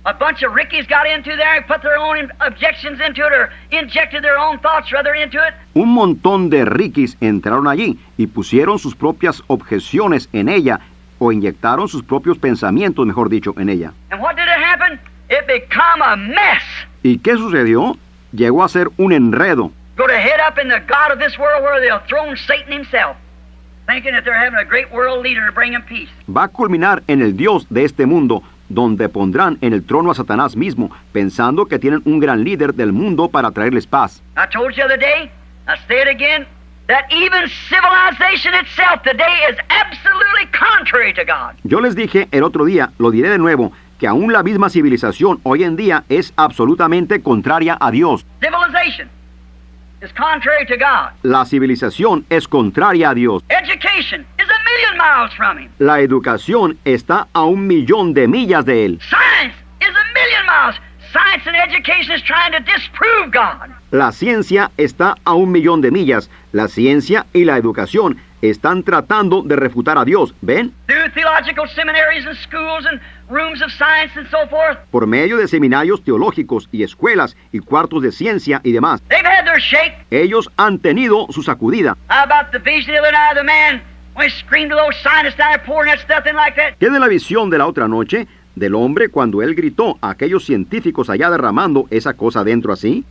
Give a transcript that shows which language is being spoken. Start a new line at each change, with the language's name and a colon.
English: A bunch of rickies got into there and put their own objections into it or injected their own thoughts rather into it.
Spanish: Un montón de rickies entraron allí y pusieron sus propias objeciones en ella o inyectaron sus propios pensamientos, mejor dicho, en ella.
English: And what did it happen? It became a mess.
Spanish: ¿Y qué sucedió? Llegó a ser un enredo.
English: Go to head up in the God of this world where they'll throne Satan himself, thinking that they're having a great world leader to bring him peace.
Spanish: Va a culminar en el Dios de este mundo, donde pondrán en el trono a Satanás mismo, pensando que tienen un gran líder del mundo para traerles paz.
English: I told you the other day, I'll say it again, that even civilization itself today is absolutely contrary to God.
Spanish: Yo les dije el otro día, lo diré de nuevo, que aún la misma civilización hoy en día es absolutamente contraria a Dios.
English: Civilization is contrary to God.
Spanish: La civilización es contraria a Dios.
English: Education is a million miles from him.
Spanish: La educación está a un millón de millas de él.
English: Science is a million miles. Science and education is trying to disprove God.
Spanish: La ciencia está a un millón de millas. La ciencia y la educación están tratando de refutar a Dios, ¿ven?
English: Through theological seminaries and schools and rooms of science and so forth.
Spanish: Por medio de seminarios teológicos y escuelas y cuartos de ciencia y demás.
English: They've had their shake.
Spanish: Ellos han tenido su sacudida.
English: How about the vision of the night of the man when he screamed to those scientists that are pouring that stuff in like that?
Spanish: ¿Qué de la visión de la otra noche del hombre cuando él gritó a aquellos científicos allá derramando esa cosa dentro así?